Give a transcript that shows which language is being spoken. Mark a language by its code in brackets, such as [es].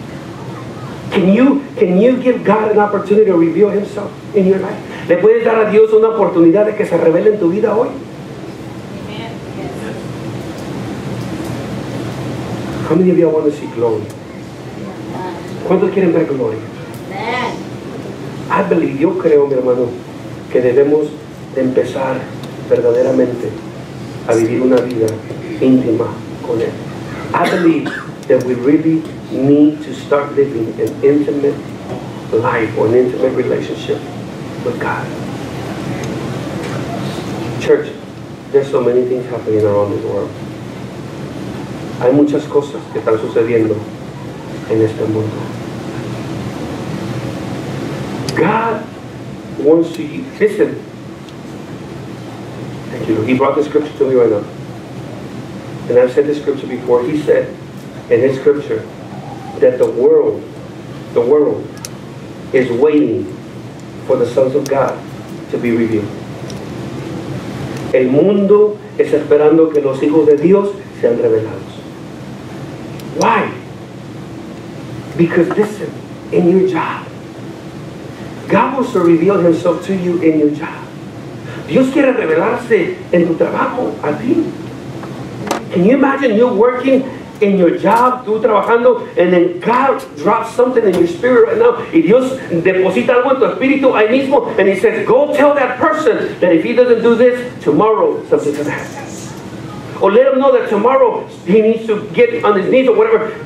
[en] Can you give God an opportunity to reveal himself in your life? [es] ¿Le puedes dar a Dios una oportunidad de que se revele en tu vida hoy? [en] How many of you want to see glory? [es] ¿Cuántos quieren ver gloria? [en] I believe, [es] yo creo, mi hermano, que debemos de empezar verdaderamente a vivir una vida íntima con Él. [en] I believe that we really need to start living an intimate life or an intimate relationship with God. Church, there's so many things happening around this world. [es] Hay muchas cosas que están sucediendo en este mundo. [en] God wants to listen. Thank you. He brought the scripture to me right now. And I've said this scripture before. He said in his scripture that the world is waiting for the sons of God to be revealed. [es] El mundo es esperando que los hijos de Dios sean revelados. [en] Why? Because listen, in your job, God wants to reveal himself to you in your job. [es] Dios quiere revelarse en tu trabajo, a ti. [en] Can you imagine you working in your job, [es] tú trabajando, [en] and then God drops something in your spirit right now, [es] y Dios deposita algo en tu espíritu ahí mismo, [en] and he says, go tell that person that if he doesn't do this, tomorrow something can happen. Or let him know that tomorrow he needs to get on his knees or whatever.